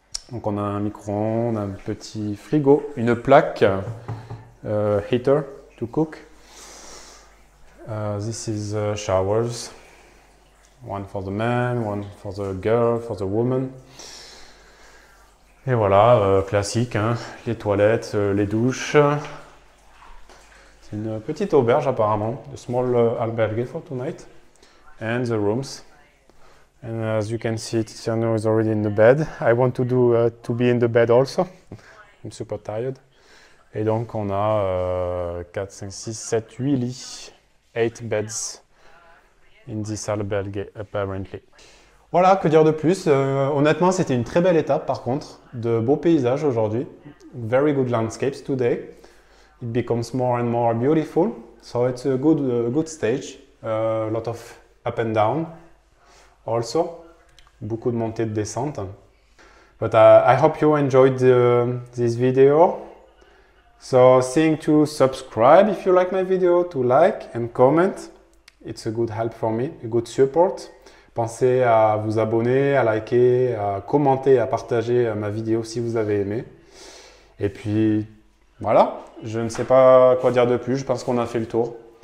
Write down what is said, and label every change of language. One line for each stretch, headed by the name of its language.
French: Donc on a un micro-ondes, un petit frigo, une plaque,
English: heater to cook. This is showers, one for the man, one for the girl, for the woman.
French: Et voilà, classique, hein, les toilettes, les douches. C'est une petite auberge apparemment,
English: a small albergue for tonight, and the rooms. And as you can see, Tiziano is already in the bed. I want to do to be in the bed also. I'm super tired.
French: Et donc on a 4, 5, 6, 7, 8 lits,
English: 8 beds in this albergue apparently.
French: Voilà, que dire de plus? Honnêtement, c'était une très belle étape par contre, de beaux paysages aujourd'hui.
English: Very good landscapes today. It becomes more and more beautiful, so it's a good stage. A lot of up and down, also.
French: Beaucoup de montées de descente.
English: But I hope you enjoyed this video. So, seeing to subscribe if you like my video, to like and comment, it's a good help for me, a good support.
French: Pensez à vous abonner, à liker, à commenter, à partager ma vidéo si vous avez aimé. Et puis voilà, je ne sais pas quoi dire de plus, je pense qu'on a fait le tour.